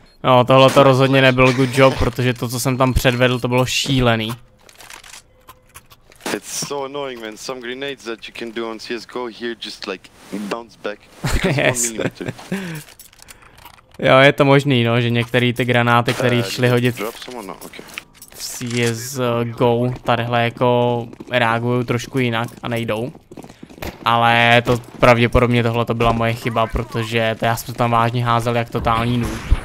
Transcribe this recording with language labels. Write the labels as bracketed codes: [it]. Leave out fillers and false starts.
[cs] No, tohle to rozhodně nebyl [en] good job, [cs] protože to, co jsem tam předvedl, to bylo šílený. [en] It's so annoying, man. Some grenades that you can do on CS:GO here just like bounce back. Yes. [cs] Jo, je to možný, no, že některé ty granáty, které šly hodit. CS:GO tadyhle jako reagují trošku jinak a nejdou. Ale to pravděpodobně tohle to byla moje chyba, protože to já jsem to tam vážně házel jak totální noob.